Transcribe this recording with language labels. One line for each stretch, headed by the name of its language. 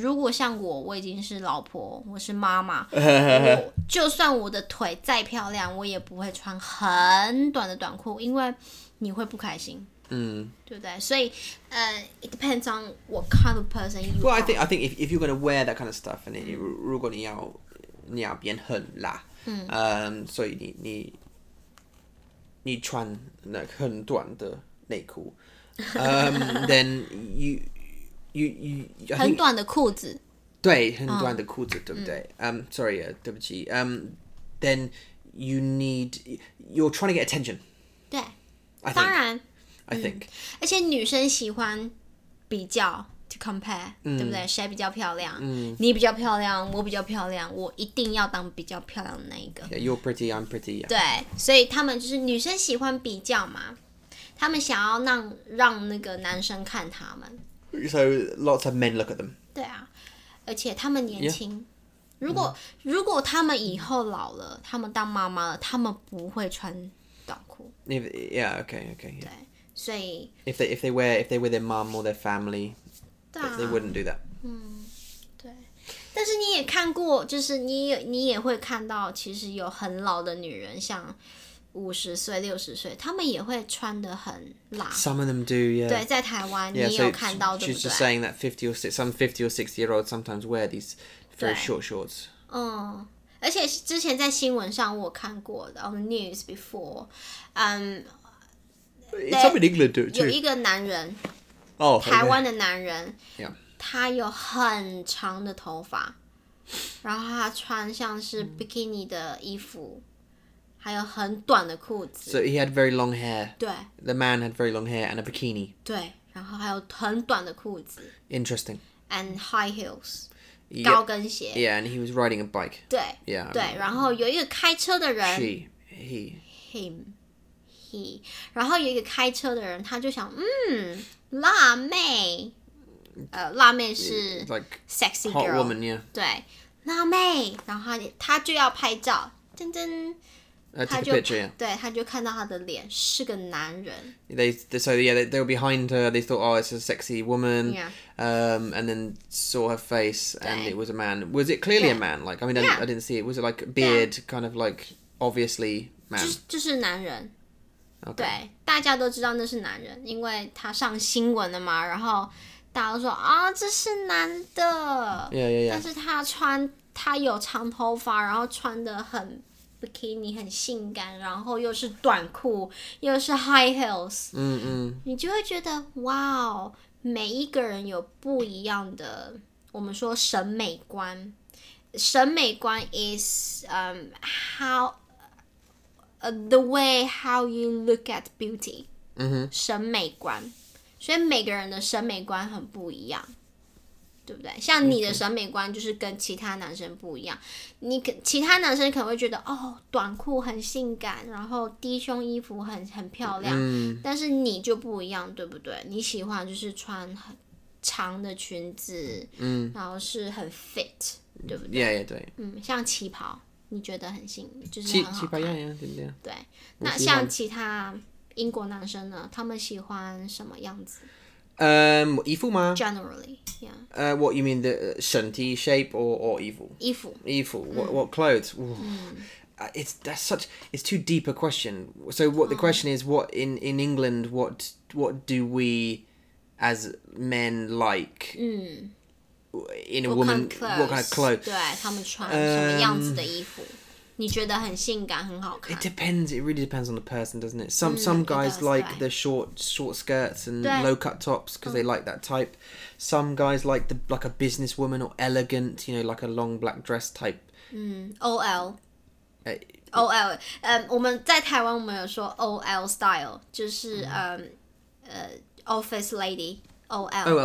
Chinese: 如果像我已经是老婆，我是妈妈，我就算我的腿再漂亮，我也不会穿很短的短裤，因为你会不开心。嗯、对不对？
English: 所以it depends on what kind of person you are. Well, I think if you're gonna wear that kind of stuff, and it,
Chinese: 如果你要你要变很辣，嗯，所以你穿那很短的内裤，
English: then you
Chinese: 很短的裤子，对，很短的裤子，对不对？
English: sorry，
Chinese: 对不起，
English: then you need you're trying to get attention，
Chinese: 对，
English: I think,
Chinese: 当然
English: ，I think，、
Chinese: 嗯、而且女生喜欢比较。
English: To compare,、嗯、
Chinese: 对不对？谁比较漂亮、嗯？你比较漂亮，我比较漂亮，我一定要当比较漂亮的那一个。
English: Yeah, you're pretty, I'm pretty.、Yeah.
Chinese: 对，所以他们就是女生喜欢比较嘛，他们想要让那个男生看他们。
English: So lots of men look at them.
Chinese: 对啊，而且他们年轻，
English: yeah.
Chinese: 如果他们以后老了，他们当妈妈了，他们不会穿短裤。
English: Yeah, okay, okay. Yeah.
Chinese: 对，所以
English: if they wear their mom or their family, they wouldn't do that.
Chinese: 嗯，对。但是你也看过，就是你也会看到，其实有很老的女人，像50岁、60岁，他们也会穿得很辣。
English: Some of them do, yeah.
Chinese: 对，在台湾
English: yeah,
Chinese: 你有看到，对不对？
English: She's just saying that some 50 or 60 year olds sometimes wear these. Very short shorts.
Chinese: 嗯，而且之前在新闻上我看过的
English: on the news before. It's up in England too.
Chinese: 有一个男人，
English: 哦、oh, okay. ，
Chinese: 台湾的男人，
English: yeah.
Chinese: 他有很长的头发，然后他穿像是 bikini 的衣服，还有很短的裤子。
English: So he had very long hair.
Chinese: 对
English: ，the man had very long hair and a bikini.
Chinese: 对，然后还有很短的裤子。
English: Interesting. And high heels.
Chinese: 高跟鞋
English: Yeah, and he was riding a bike.
Chinese: 对
English: Yeah,
Chinese: 对然后有一个开车的人
English: She, he Him, he
Chinese: 然后有一个开车的人他就想辣妹辣妹是
English: Like sexy girl Hot woman, yeah
Chinese: 对辣妹然后他就要拍照噔噔他就
English: took a picture, yeah
Chinese: 对他就看到他的脸是个男人
English: They, so yeah, they were behind her They thought, oh, it's a sexy woman Yeah. And then saw her face and it was a man. Was it clearly a man? Like, I mean, I didn't see it. Was it like beard, kind of like, obviously, man?
Chinese: 就是男人。
English: Okay.
Chinese: 对，大家都知道那是男人，因为他上新闻了嘛，然后大家都说，啊，这是男的。
English: Yeah, yeah, yeah.
Chinese: 但是他有长头发，然后穿得很bikini 很性感，然后又是短裤，又是
English: high heels。嗯嗯。
Chinese: 你就会觉得，哇哦。每一个人有不一样的，我们说审美观。
English: 审美观 is how the way how you look at beauty. 嗯哼，
Chinese: 审美观，所以每个人的审美观很不一样，对不对？像你的审美观就是跟其他男生不一样。你其他男生可能会觉得哦，短裤很性感，然后低胸衣服很漂亮、嗯。但是你就不一样，对不对？你喜欢就是穿很长的裙子，嗯，然后是很 fit， 对不对
English: ？Yeah, yeah, 对。
Chinese: 嗯，像旗袍，你觉得很性，就是很好看。旗袍一样，对不对？对。那像其他英国男生呢？他们喜欢什么样子？衣服吗
English: ？Generally, yeah. What you mean the 身体 shape or 衣服？
Chinese: 衣服。
English: 衣服。What clothes? It's too deep a question. So what the question is? What in England? What do we as men like? In a woman, what kind of clothes?
Chinese: 对，他们穿什么样子的衣服？你觉得很性感，很好看。
English: It depends. It really depends on the person, doesn't it? Some guys does, like the short skirts and low cut tops because they like that type. Some guys like the like a businesswoman or elegant, you know, like a long black dress type.
Chinese: OL. OL. 我们在台湾我们有说
English: OL style，
Chinese: 就是
English: office lady OL.